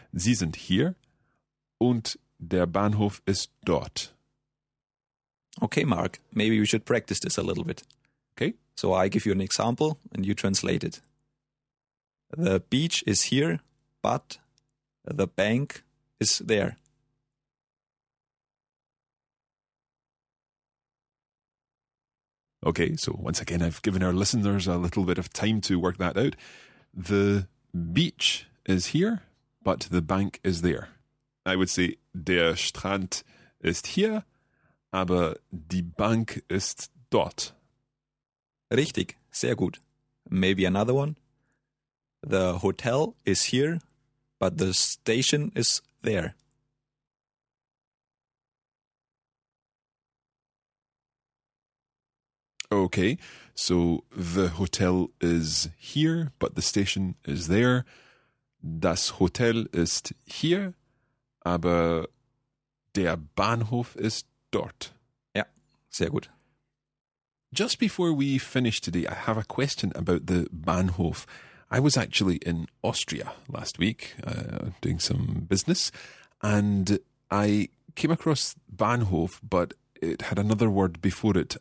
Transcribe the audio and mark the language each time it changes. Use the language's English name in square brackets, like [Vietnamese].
[German] Sie sind hier und der Bahnhof ist dort. [English] Okay, Mark. Maybe we should practice this a little bit. Okay. So I give you an example and you translate it. The beach is here, but the bank is there. Okay, so once again, I've given our listeners a little bit of time to work that out. The beach is here, but the bank is there. I would say, [German] der Strand ist hier, aber die Bank ist dort. Richtig, sehr gut. [English] Maybe another one. The hotel is here, but the station is there. Okay, so the hotel is here, but the station is there. [German] Das Hotel ist hier, aber der Bahnhof ist dort. Ja, sehr gut. [English] Just before we finish today, I have a question about the Bahnhof. I was actually in Austria last week doing some business, and I came across Bahnhof, but it had another word before it.